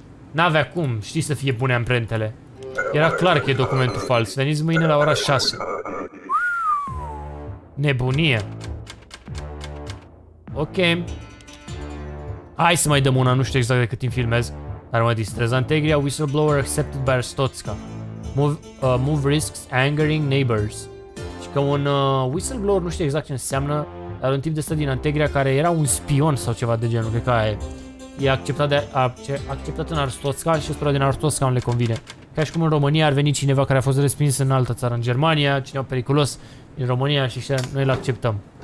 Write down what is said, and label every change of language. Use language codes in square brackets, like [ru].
[ro] N-avea cum, știi să fie bune amprentele. Era clar că e documentul fals. Veniți mâine la ora 6. Nebunie. Ok. Hai să mai dăm una, nu știu exact de cât timp filmez. Dar mă distrez. [en] Integria whistleblower accepted by Stotska. Move risks angering neighbors. [ro] Și că un whistleblower, nu știu exact ce înseamnă, dar un tip de stat din Integria care era un spion sau ceva de genul, cred că aia e. E acceptat, acceptat în Arstotzka și ăsta din Arstotzka nu le convine. Ca și cum în România ar veni cineva care a fost respins în altă țară, în Germania, cineva periculos din România și ăștia, noi îl acceptăm.